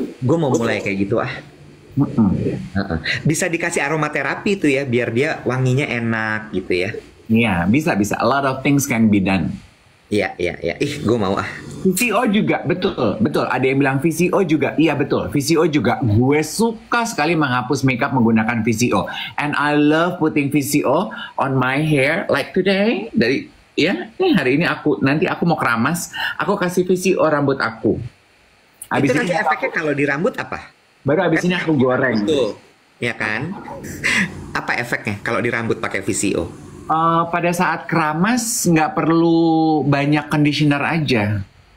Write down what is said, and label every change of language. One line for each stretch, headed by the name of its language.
Indonesian: Gue mau mulai kayak gitu . Bisa dikasih aromaterapi tuh ya, biar dia wanginya enak gitu ya. Iya, bisa.
English: A lot of things can be done.
Indonesian: Iya. Ih, gue mau ah. VCO juga, betul. Ada yang bilang VCO juga. Iya, betul. VCO juga. Gue suka sekali menghapus makeup menggunakan VCO.
English: And I love putting VCO on my hair. Like today,
Indonesian: dari, ya, nih hari ini aku, nanti aku mau keramas. Aku kasih VCO rambut aku. Abis itu nanti ini, efeknya kalau di rambut apa? Baru abis ini aku goreng. Betul. Ya kan? Apa efeknya kalau di rambut pakai VCO? Pada saat keramas, nggak perlu banyak conditioner aja.